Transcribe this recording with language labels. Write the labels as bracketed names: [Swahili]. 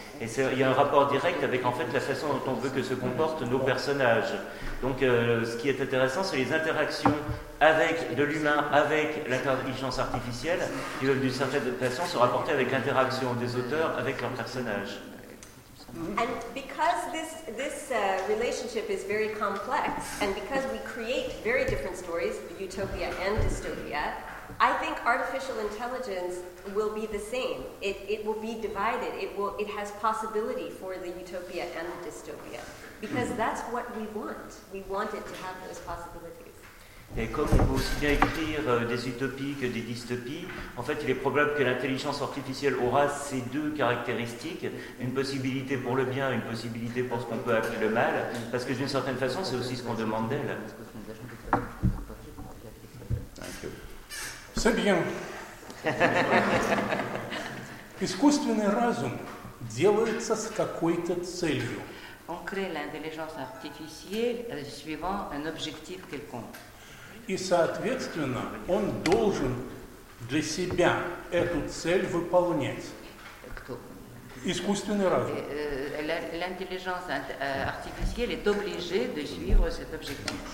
[French] Et il y a un rapport direct avec en fait la façon dont on veut que se comportent nos personnages. Donc ce qui est intéressant, c'est les interactions avec de l'humain, avec l'intelligence artificielle, qui veulent d'une certaine façon se rapporter avec l'interaction des auteurs avec leurs personnages. [English] And because this relationship is very complex, and because we create very different stories, utopia and dystopia, I think artificial intelligence will be the same. It will be divided. It has possibility for the utopia and the dystopia, because that's what we want. We want it to have those possibilities. [French] Et comme il faut aussi bien écrire des utopies que des dystopies, en fait, il est probable que l'intelligence artificielle aura ces deux caractéristiques, une possibilité pour le bien, une possibilité pour ce qu'on peut appeler le mal, parce que d'une certaine façon, c'est aussi ce qu'on demande d'elle. C'est bien. [Russian] Искусственный разум делается с какой-то целью. [French] On crée l'intelligence artificielle suivant un objectif quelconque. [Russian] И, соответственно, он должен для себя эту цель выполнять. Кто? Искусственный разум. [French] L'intelligence artificielle est obligée de suivre cet objectif.